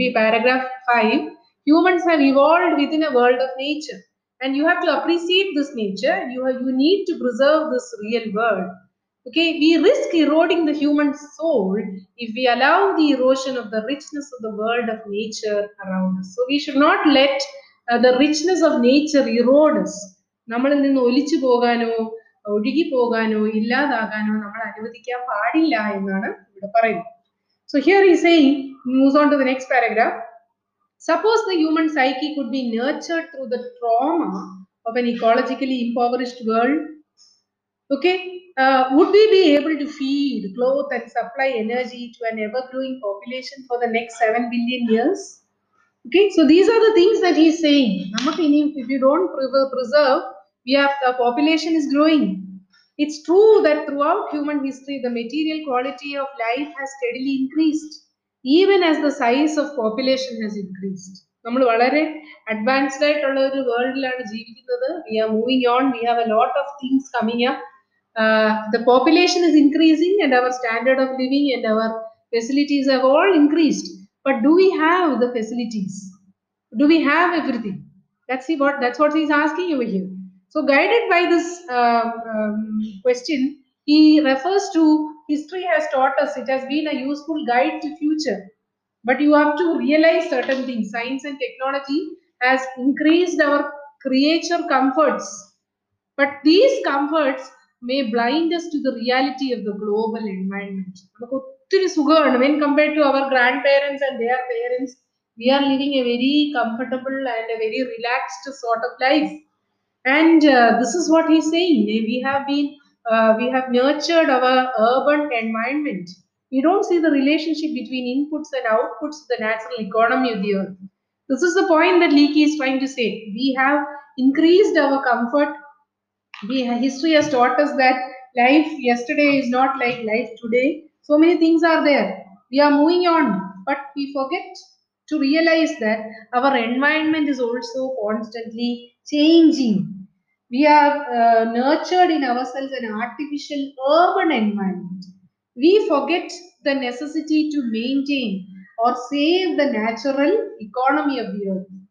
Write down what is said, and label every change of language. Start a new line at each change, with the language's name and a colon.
English: Paragraph 5, humans have evolved within a world of nature, and you have to appreciate this nature. You need to preserve this real world. Okay, we risk eroding the human soul if we allow the erosion of the richness of the world of nature around us. So we should not let the richness of nature erode us.
Malayalam: നമ്മളിൽ നിന്ന് ഒലിച്ചു പോകാനോ ഒഴുകി പോകാനോ ഇല്ലാതാകാനോ നമ്മൾ അനുവദിക്കാൻ പാടില്ല എന്നാണ് ഇവിടെ പറയുന്നത്.
English: So here he's saying, moves on to the next paragraph. Suppose the human psyche could be nurtured through the trauma of an ecologically impoverished world. Okay, would we be able to feed, clothe and supply energy to an ever-growing population for the next 7 billion years? Okay, so these are the things that he's saying. If you don't preserve, the population is growing. It's true that throughout human history, the material quality of life has steadily increased, even as the size of population has increased.
Malayalam: നമ്മൾ വളരെ advanced ആയിട്ടുള്ള ഒരു വേൾഡിലാണ് ജീവിക്കുന്നത്.
English: We are moving on, we have a lot of things coming up. The population is increasing and our standard of living and our facilities have all increased. But do we have the facilities? Do we have everything? That's what he's asking over here. So guided by this question, he refers to history has taught us, it has been a useful guide to future. But you have to realize certain things. Science and technology has increased our creature comforts. But these comforts may blind us to the reality of the global environment.
Malayalam: ഒത്തിരി സുഖമാണ്.
English: When compared to our grandparents and their parents, we are living a very comfortable and a very relaxed sort of life. And this is what he's saying, we have nurtured our urban environment. You don't see the relationship between inputs and outputs the natural economy of the earth. This is the point that Leakey is trying to say. We have increased our comfort. History has taught us that life yesterday is not like life today. So many things are there. We are moving on, but we forget to realize that our environment is also constantly changing. We have nurtured in ourselves an artificial urban environment. We forget the necessity to maintain or save the natural economy of the earth.